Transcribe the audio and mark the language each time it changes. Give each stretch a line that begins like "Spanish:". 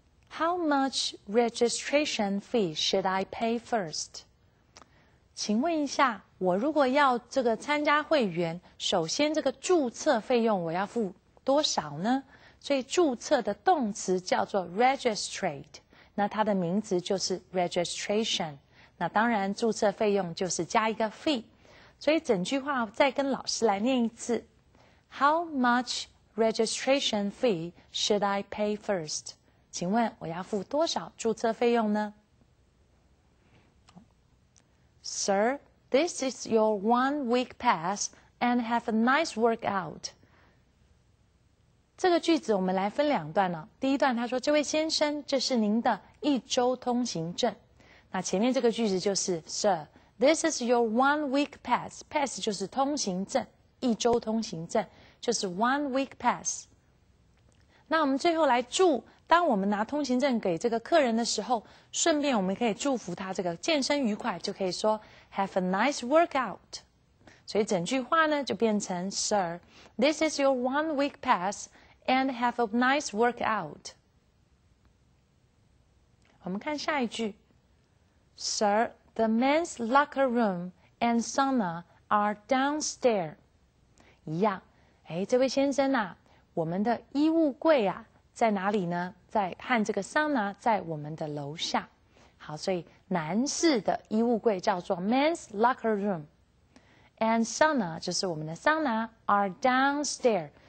English: How much registration fee should I pay first?
Chinese: 请问一下，我如果要这个参加会员，首先这个注册费用我要付多少呢？所以注册的动词叫做 registrate， 那它的名词就是 registration， 那当然注册费用就是加一个 fee， 所以整句话再跟老师来念一次 ， How much registration fee should I pay first？请问我要付多少注册费用呢？
English: Sir, this is your one-week pass, and have a nice workout.
Chinese: 这个句子我们来分两段哦。第一段他说，这位先生，这是您的一周通行证。
English: 那前面这个句子就是 Sir, this is your one-week pass.
Chinese: Pass 就是通行证，一周通行证，就是 one-week pass。那我们最后来祝，当我们拿通行证给这个客人的时候，顺便我们可以祝福他这个健身愉快，就可以说 Have a nice workout。
English: 所以整句话呢，就变成 Sir, this is your one-week pass, and have a nice workout。
Chinese: 我们看下一句。
English: Sir, the men's locker room and sauna are downstairs.
Chinese: 一样。哎，这位先生啊，我们的衣物柜啊在哪里呢？在和这个sauna在我们的楼下。好，所以男士的衣物柜叫做 men's locker room。
English: And sauna 就是我们的桑拿 are downstairs.